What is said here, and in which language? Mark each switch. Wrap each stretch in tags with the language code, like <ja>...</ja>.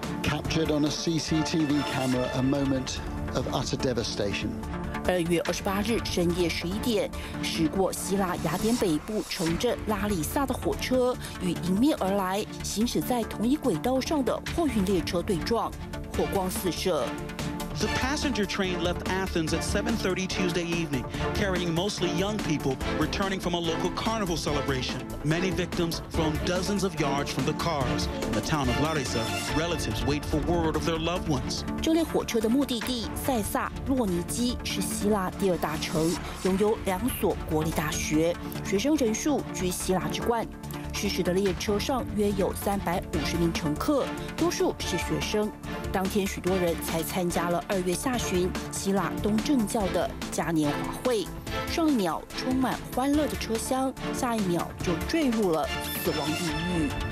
<en>Captured on a CCTV camera, a moment of utter devastation.</en> <zh>2月28日深夜11点，驶过希腊雅典北部城镇拉里萨的火车与迎面而来、行驶在同一轨道上的货运列车对撞，火光四射。</zh> <en>The passenger train left Athens at 7:30 Tuesday evening, carrying mostly young people returning from a local carnival celebration. Many victims thrown dozens of yards from the cars. In the town of Larissa, relatives wait for word of their loved ones.</en> <zh>这列火车的目的地塞萨洛尼基是希腊第二大城，拥有两所国立大学，学生人数居希腊之冠。失事的列车上约有350名乘客，多数是学生。当天许多人才参加了二月下旬希腊东正教的嘉年华会，上一秒充满欢乐的车厢，下一秒就坠入了死亡地狱。</zh>